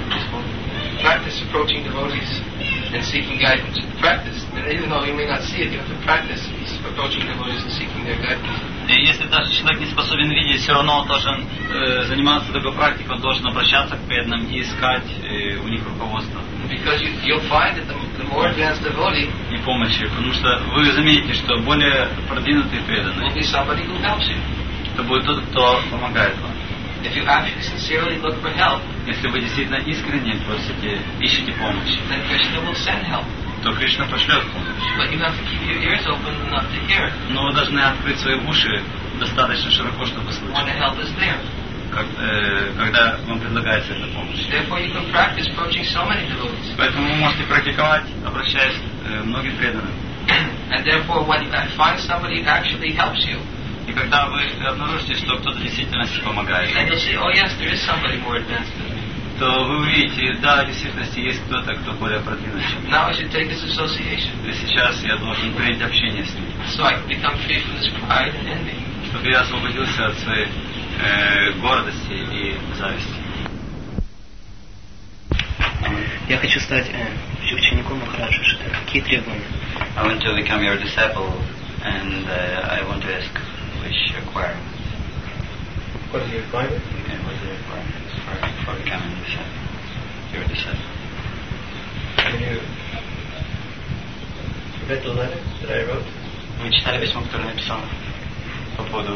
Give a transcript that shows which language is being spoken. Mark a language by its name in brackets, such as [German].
[English] Practice approaching devotees and seeking guidance. Practice. And even though you may not see it, you have to practice approaching devotees and seeking their guidance. [Russian] И если даже человек не способен видеть, все равно он должен заниматься такой практикой, он должен обращаться к преданным и искать у них руководство. [English] Because you'll find that the more advanced devotee, [Russian] и помощи, потому что вы заметите, что более продвинутые преданные, [English] will be somebody who helps you. [Russian] Это будет тот, кто помогает вам. [English] If you actually sincerely look for help, [Russian] если вы действительно искренне просите, ищете помощь, [English] then Krishna will send help. [Russian] То Кришна пошлет помощь. [English] But you have to keep your ears open enough to hear. [Russian] Но вы должны открыть свои уши достаточно широко, чтобы слышать. [English] When the help is there. [Russian] Когда вам предлагается эта помощь. [English] Therefore, you can practice approaching so many devotees. [Russian] Поэтому вы можете практиковать, обращаясь к многим преданным. [English] And therefore, when you find somebody who actually helps you. [Russian] И когда вы обнаружите, что кто-то действительно помогает, [English] and you'll see, oh, yes, there is somebody more advanced than me. [Russian] То вы увидите, да, в действительности есть кто-то, кто более продвинут. [English] Now I should take this association. [Russian] И сейчас я должен принять общение с ним. [English] So I become free from this pride and envy. [Russian] Чтобы я освободился от своей гордости и зависти. Я хочу стать учеником Махараджи Шитара. Какие требования? [English] I want to become your disciple, and I want to ask. Which requirements? What is your requirement? And what is your requirement for becoming a disciple? Your disciple. Can you read the letter that I wrote? [Russian] Вы читали письмо, которое написал по поводу